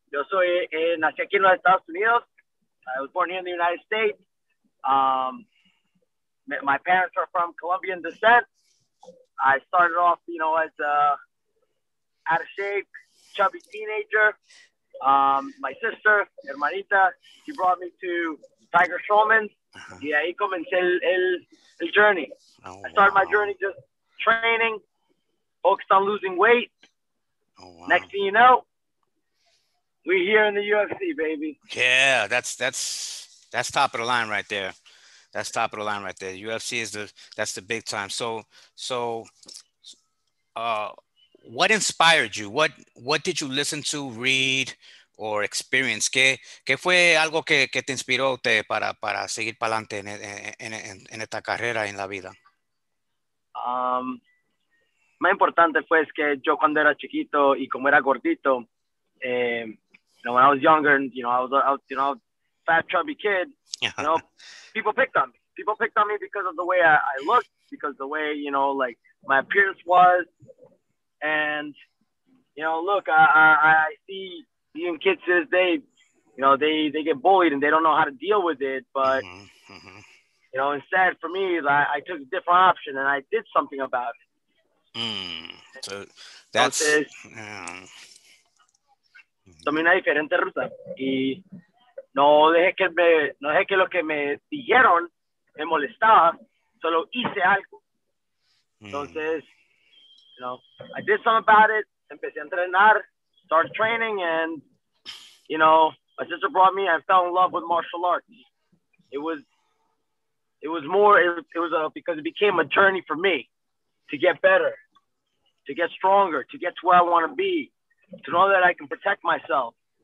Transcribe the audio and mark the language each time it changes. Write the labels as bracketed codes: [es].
[es] Yo soy nací aquí en los Estados Unidos. [en] I was born here in the United States. My parents are from Colombian descent. I started off, you know, as a out of shape, chubby teenager. My sister, hermanita, she brought me to Tiger Schulmann's. Uh-huh. [es] Yeah, he comenzó el journey. Oh, [en] I started wow. my journey just training, focused on losing weight. Oh, wow. Next thing you know, we're here in the UFC, baby. Yeah, that's top of the line right there. That's top of the line right there. UFC is that's the big time. So, what inspired you? What did you listen to, read, or experience? [es] ¿Qué fue algo que te inspiró te para seguir para adelante en esta carrera en la vida? [en] Más importante fue es que yo cuando era chiquito y como era gordito, you know, when I was younger, you know, I was fat chubby kid, you know, people picked on me because of the way I looked, because the way, you know, like my appearance was. And, you know, look, I see even kids to this day, you know, they get bullied and they don't know how to deal with it. But, mm-hmm. you know, instead for me, I took a different option and I did something about it. Mm. So that's... [es] Tomé una diferente ruta y no dejé que lo que me dijeron me molestaba, solo hice algo. [en] Entonces... Mm. You know, I did something about it. Empecé a entrenar, started training, and, you know, my sister brought me. I fell in love with martial arts. It was because it became a journey for me to get better, to get stronger, to get to where I want to be, to know that I can protect myself.